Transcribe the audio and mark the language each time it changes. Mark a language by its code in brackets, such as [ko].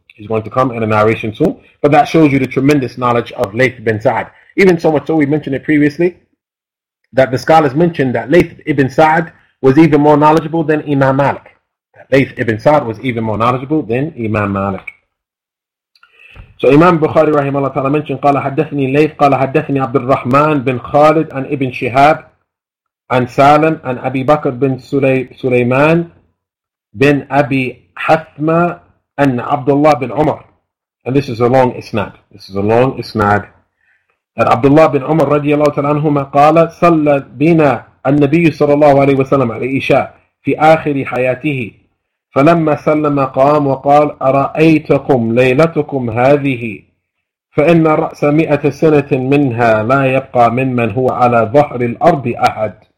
[en] He's going to come in a narration soon. But that shows you the tremendous knowledge of Layth ibn Sa'd. Even so much so, we mentioned it previously, that the scholars mentioned that Layth ibn Sa'd was even more knowledgeable than Imam Malik. Layth ibn Sa'd was even more knowledgeable than Imam Malik. So Imam Bukhari [ar] رحمه الله تعالى [en] mentioned, [ar] قال حدثني ليث قال حدثني عبد الرحمن بن خالد عن ابن شهاب عن سالم عن أبي بكر بن سليمان بن أبي حثمة عن عبد الله بن عمر. [en] And this is a long isnad. [ar] And Abdullah bin Umar radiallahu ta'ala anhuma qala salla bina an-nabiy sallallahu alayhi wa sallam alayhi isha fi akhir hayatihi falamma sallama qam wa qala ara'aytakum laylatukum hadhihi فإن رأس مئة سنة منها لا يبقى ممن هو على ظهر الأرض أحد.